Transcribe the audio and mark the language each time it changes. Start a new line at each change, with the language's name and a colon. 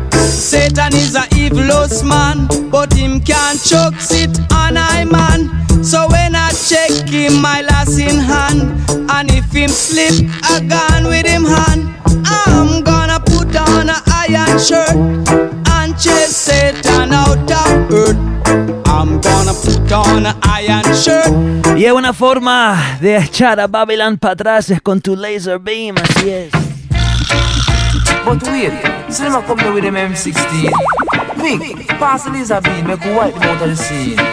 English: Satan is an evil host man, but him can't choke sit on I man. So when I check him, my last in hand. And if him slip a gun with him hand, I'm gonna put on a iron shirt and chase Satan out of earth. I'm gonna put on a iron shirt.
Spanish: Y una forma de echar a Babylon para atrás es con tu laser beam, así es.
English: But wait, see them a come with them M16. Quick, pass the laser beam, make a wipe them out of the scene.